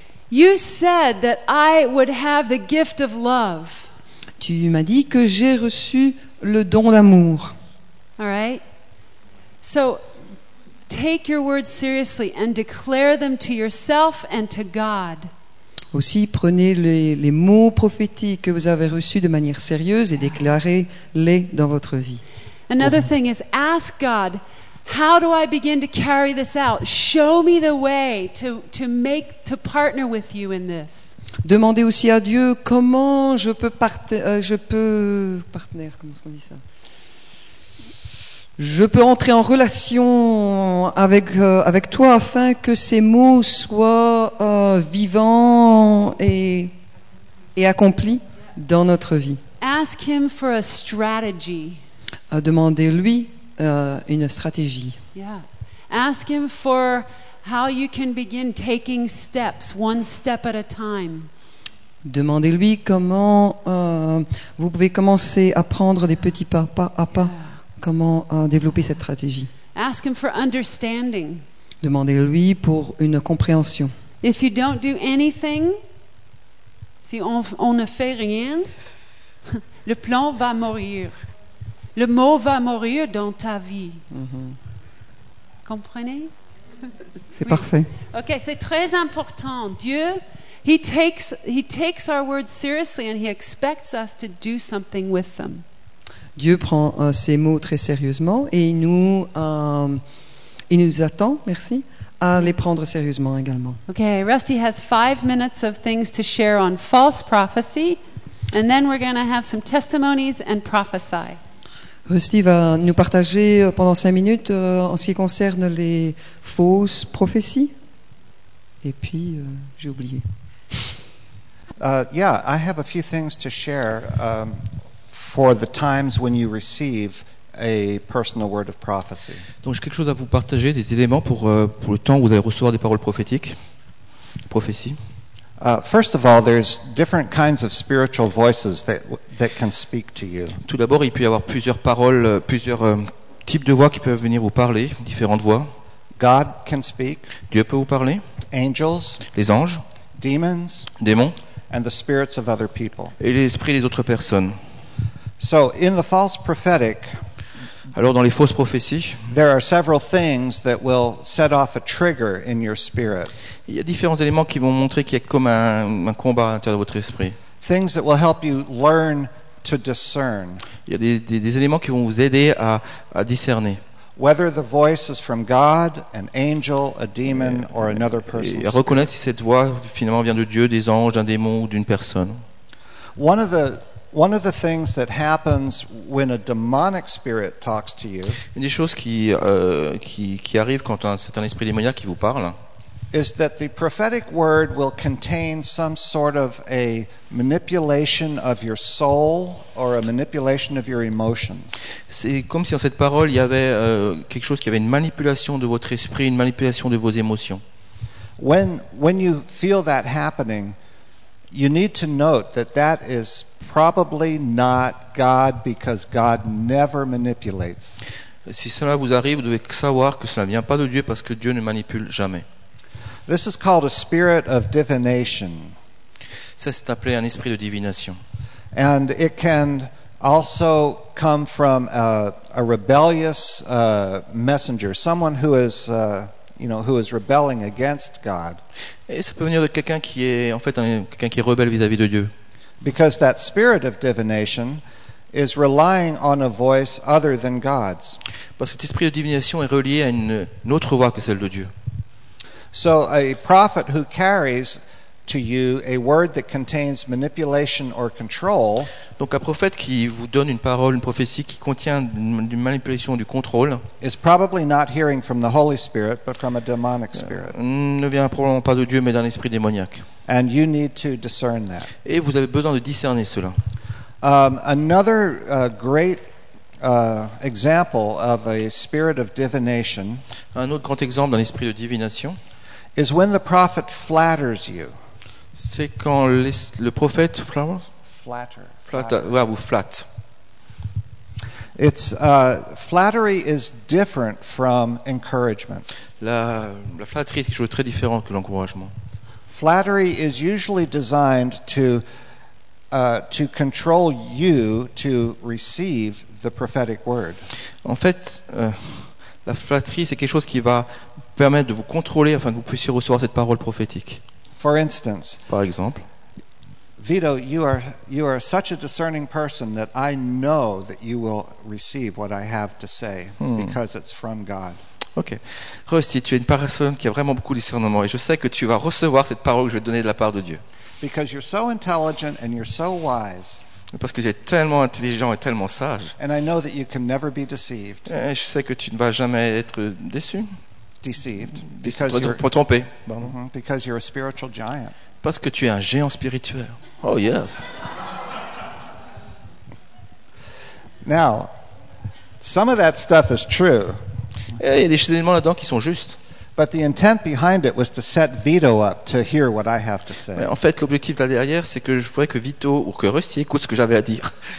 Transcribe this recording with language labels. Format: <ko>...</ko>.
<en>You said that I would have the gift of love.</en> <fr>Tu m'as dit que j'ai reçu le don d'amour.</fr> <en>All right. So take your words seriously and declare them to yourself and to God.</en> <fr>Aussi, prenez les mots prophétiques que vous avez reçus de manière sérieuse et déclarez-les dans votre vie.</fr> <en>Another thing is ask God, how do I begin to carry this out? Show me the way to partner with you in this.</en> <fr>Demandez aussi à Dieu comment je peux entrer en relation avec toi afin que ces mots soient vivants et accomplis dans notre vie.</fr> <en>Ask him for a strategy.</en> <fr>Demandez-lui une stratégie.</fr> <en>Yeah. Ask him for how you can begin taking steps, one step at a time.</en> <fr>Demandez-lui comment vous pouvez commencer à prendre des petits pas, pas à pas. Yeah. Comment développer cette stratégie.</fr> <en>Ask him for understanding.</en> <fr>Demandez-lui pour une compréhension.</fr> <en>If you don't do anything,</en> <fr>si on ne fait rien, le plan va mourir. Le mot va mourir dans ta vie. Mm-hmm. Comprenez? C'est oui. Parfait. Ok, c'est très important.</fr> <en>Dieu, he takes our words seriously and he expects us to do something with them.</en> <fr>Dieu prend ses mots très sérieusement et il nous attend, merci, à les prendre sérieusement également.</fr> <en>Okay, Rusty has 5 minutes of things to share on false prophecy, and then we're going to have some testimonies and prophesy.</en> <fr>Rusty va nous partager pendant 5 minutes en ce qui concerne les fausses prophéties. Et puis, j'ai oublié.</fr> <en>I have a few things to share. For the times when you receive a personal word of prophecy.</en> <fr>Donc j'ai quelque chose à vous partager, des éléments pour le temps où vous allez recevoir des paroles prophétiques, prophéties.</fr> <en>First of all, there's different kinds of spiritual voices that can speak to you.</en> <fr>Tout d'abord, il peut y avoir plusieurs paroles, plusieurs types de voix qui peuvent venir vous parler, différentes voix.</fr> <en>God can speak.</en> <fr>Dieu peut vous parler.</fr> <en>Angels.</en> <fr>Les anges.</fr> <en>Demons.</en> <fr>Démons.</fr> <en>And the spirits of other people.</en> <fr>Et les esprits des autres personnes.</fr> <en>So in the false prophetic,</en> <fr>alors dans les fausses prophéties,</fr> <en>there are several things that will set off a trigger in your spirit.</en> <fr>Il y a différents éléments qui vont montrer qu'il y a comme un combat à l'intérieur de votre esprit.</fr> <en>Things that will help you learn to discern.</en> <fr>Il y a des éléments qui vont vous aider à discerner.</fr> <en>Whether the voice is from God, an angel, a demon, or another person.</en> <fr>Et reconnaître si cette voix finalement vient de Dieu, des anges, d'un démon ou d'une personne.</fr> <en>One of the things that happens when a demonic spirit talks to you,</en> <fr>une des choses qui arrive quand c'est un esprit démoniaque qui vous parle,</fr> <en>is that the prophetic word will contain some sort of a manipulation of your soul or a manipulation of your emotions.</en> <fr>C'est comme si dans cette parole il y avait quelque chose qui avait une manipulation de votre esprit, une manipulation de vos émotions.</fr> <en>When you feel that happening, you need to note that is probably not God, because God never manipulates.</en> <fr>Si cela vous arrive, vous devez savoir que cela ne vient pas de Dieu parce que Dieu ne manipule jamais.</fr> <en>This is called a spirit of divination.</en> <fr>Ça c'est appelé un esprit de divination.</fr> <en>And it can also come from a rebellious messenger, someone who is who is rebelling against God.</en> <fr>Et ça peut venir de quelqu'un qui est en fait quelqu'un qui est rebelle vis-à-vis de Dieu.</fr> <en>Because that spirit of divination is relying on a voice other than God's.</en> <fr>Parce que cet esprit de divination est relié à une autre voix que celle de Dieu.</fr> <en>So a prophet who carries to you a word that contains manipulation or control.</en> <fr>Donc un prophète qui vous donne une parole, une prophétie qui contient une manipulation du contrôle.</fr> <en>Is probably not hearing from the Holy Spirit, but from a demonic spirit.</en> <fr>Ne vient probablement pas de Dieu, mais d'un esprit démoniaque.</fr> <en>And you need to discern that.</en> <fr>Et vous avez besoin de discerner cela.</fr> <en>Another great example of a spirit of divination.</en> <fr>Un autre grand exemple d'un esprit de divination.</fr> <en>Is when the prophet flatters you.</en> <fr>C'est quand le prophète</fr> <en>flatter. It's flattery is different from encouragement.</en> <fr>La flatterie est quelque chose de très différent que l'encouragement.</fr> <en>Flattery is usually designed to control you to receive the prophetic word.</en> <fr>En fait, la flatterie c'est quelque chose qui va permettre de vous contrôler afin que vous puissiez recevoir cette parole prophétique.</fr> <en>For instance,</en> <fr>par exemple,</fr> <en>Vito, you are such a discerning person that I know that you will receive what I have to say because it's from God. Okay.</en> <fr>Rusty, tu es une personne qui a vraiment beaucoup de discernement et je sais que tu vas recevoir cette parole que je vais te donner de la part de Dieu.</fr> <en>Because you're so intelligent and you're so wise.</en> <fr>Parce que tu es tellement intelligent et tellement sage.</fr> <en>And I know that you can never be deceived.</en> <fr>Et je sais que tu ne vas jamais être déçu.</fr> <en>Deceived because you're a spiritual giant.</en> <fr>Parce que tu es un géant spirituel.</fr> <en>Oh yes. Now, some of that stuff is true.</en> <fr>Et il y a des éléments là-dedans qui sont justes.</fr> <en>But the intent behind it was to set Vito up to hear what I have to say.</en> <fr>En fait, l'objectif là derrière, c'est que je voudrais que Vito ou que Rusty écoute ce que j'avais à dire.</fr>